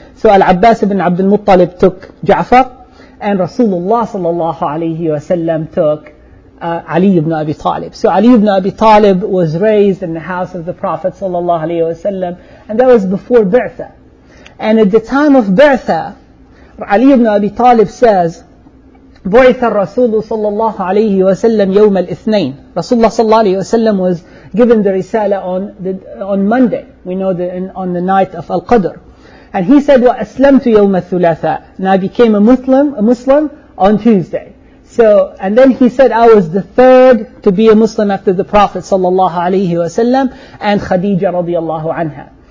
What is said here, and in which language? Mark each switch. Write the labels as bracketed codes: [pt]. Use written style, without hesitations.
[en] So Al-Abbas ibn Abd al-Muttalib took Ja'far, and Rasulullah sallallahu alayhi wa sallam took Ali ibn Abi Talib. So Ali ibn Abi Talib was raised in the house of the Prophet sallallahu alaihi wasallam, and that was before Ba'tha. And at the time of Ba'tha, Ali ibn Abi Talib says [ar] بعث الرسول صلى الله عليه وسلم يوم الاثنين. رسول الله صلى الله عليه وسلم [en] was given the risala on Monday. We know that on the night of Al-Qadr. And he said, [ar] وَأَسْلَمْتُ يَوْمَ الثُّلَاثَاءِ. [en] And I became a Muslim on Tuesday. So, and then he said, I was the third to be a Muslim after the Prophet sallallahu alayhi wa sallam and Khadija radiallahu anha.